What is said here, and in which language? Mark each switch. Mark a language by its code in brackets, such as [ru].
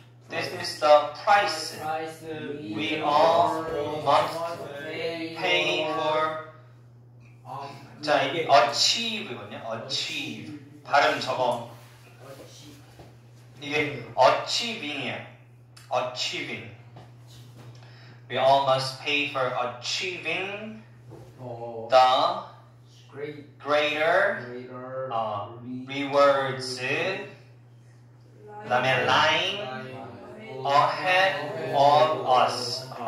[en] This is the price we all must pay for. [ko] 자, 이게 achieve거든요. Achieve. 발음 저거. 이게 achieving이야. [en] Achieving. We all must pay for achieving the greater rewards. [ko] 그다음에 [en] line ahead of us.